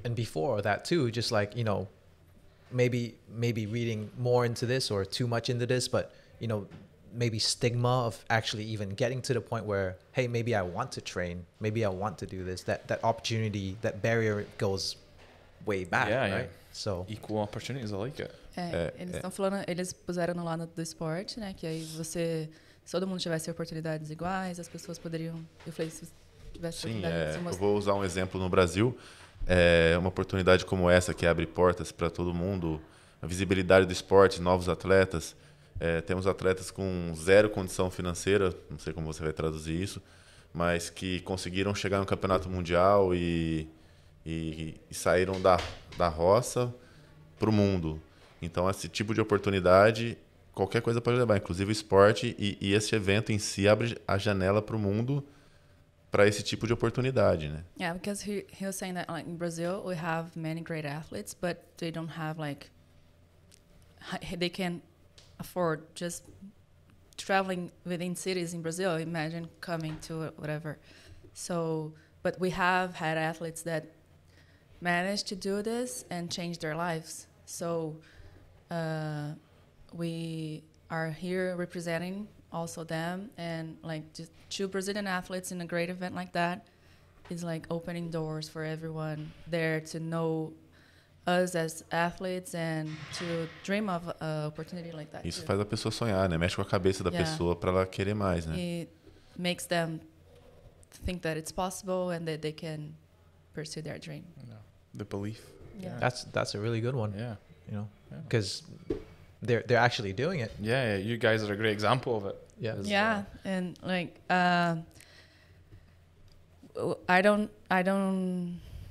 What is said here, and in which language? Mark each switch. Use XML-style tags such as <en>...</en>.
<en>and before that too, just like, you know, maybe reading more into this or too much into this, but you know, maybe stigma of actually even getting to the point where, hey, maybe I want to train, maybe I want to do this, that opportunity, that barrier goes way back, So equal opportunities, I like it.</en> <pt>Eles puseram no lado do esporte, né, que aí você, se todo mundo tivesse oportunidades iguais, as pessoas poderiam, eu falei, se tivesse eu vou usar um exemplo no Brasil, uma oportunidade como essa que abre portas para todo mundo, a visibilidade do esporte, novos atletas. Temos atletas com zero condição financeira, não sei como você vai traduzir isso, mas que conseguiram chegar no campeonato mundial e saíram da roça para o mundo. Então, esse tipo de oportunidade, qualquer coisa pode levar, inclusive o esporte, e esse evento em si abre a janela para o mundo para esse tipo de oportunidade, né?</pt> <en>Yeah, because he was saying that like in Brazil we have many great athletes, but they don't have like they can afford just traveling within cities in Brazil, imagine coming to whatever. So, but we have had athletes that managed to do this and change their lives. So we are here representing also them, and like just two Brazilian athletes in a great event like that is like opening doors for everyone there to know us as athletes and to dream of an opportunity like that.</en> <pt>Isso faz a pessoa sonhar, né? Mexe com a cabeça da pessoa para ela querer mais, né?</pt> <en>It makes them think that it's possible and that they can pursue their dream. The belief. Yeah. That's a really good one. Yeah. You know, because they're actually doing it. Yeah, you guys are a great example of it. Yeah. And like, I don't</en>